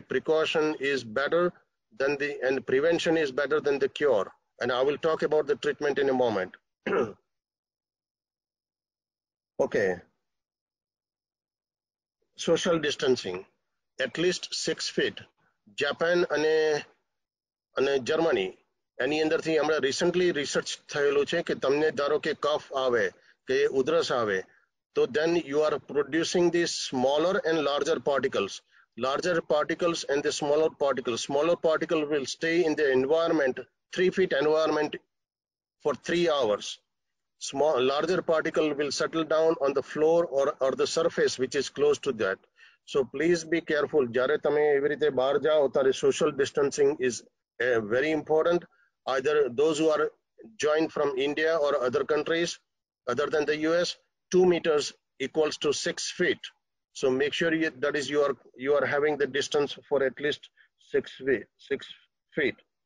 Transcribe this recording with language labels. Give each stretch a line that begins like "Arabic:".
English: Precaution is better than the, and prevention is better than the cure. And I will talk about the treatment in a moment. Okay, social distancing, at least 6 feet. Japan and Germany.
Gujarati: એની અંદરથી હમણાં recently research થયેલું છે કે તમને ધારો કે કફ આવે કે ઉધરસ આવે તો
English: Then you are producing the smaller and larger particles. Larger particles and the smaller particles. Smaller particle will stay in the environment 3 feet environment for 3 hours. Small larger particle will settle down on the floor or the surface which is close to that. So please be careful.
Gujarati: જ્યારે તમે એવી રીતે બહાર જાઓ ત્યારે
English: Social distancing is very important. Either those who are joined from India or other countries other than the US, 2 meters equals to 6 feet. So make sure you are having the distance for at least 6 feet.